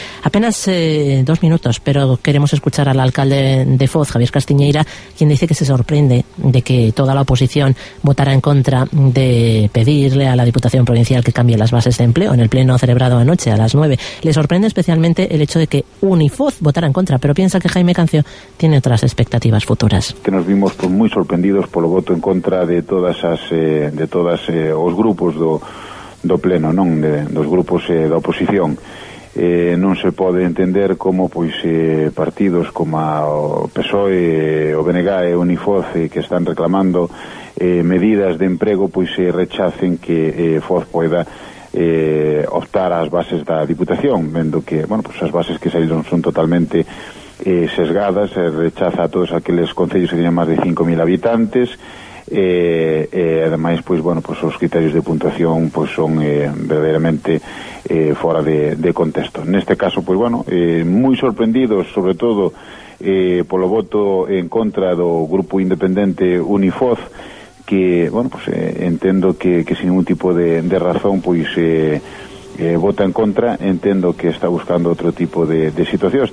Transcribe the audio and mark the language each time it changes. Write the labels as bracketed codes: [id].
[es] Apenas dos minutos, pero queremos escuchar al alcalde de Foz, Javier Castiñeira, quien dice que se sorprende de que toda la oposición votara en contra de pedirle a la Diputación Provincial que cambie las bases de empleo en el pleno celebrado anoche a las 9. Le sorprende especialmente el hecho de que Unifoz votara en contra, pero piensa que Jaime Cancio tiene otras expectativas futuras. Que nos vimos muy sorprendidos por el voto en contra de todos [gl] os grupos do pleno, non dos grupos da oposición. Non se pode entender como partidos como a PSOE, o BNG e o Unifoz, que están reclamando medidas de emprego, rechacen que Foz poida optar ás bases da Diputación, vendo que as bases que saíron son totalmente sesgadas, rechaza a todos aqueles concellos que teñen máis de 5.000 habitantes. Ademais, os criterios de puntuación son verdadeiramente fora de contexto. Neste caso, moi sorprendidos, sobre todo polo voto en contra do grupo independente Unifoz, que entendo que sin ningún tipo de razón vota en contra. Entendo que está buscando outro tipo de situacións.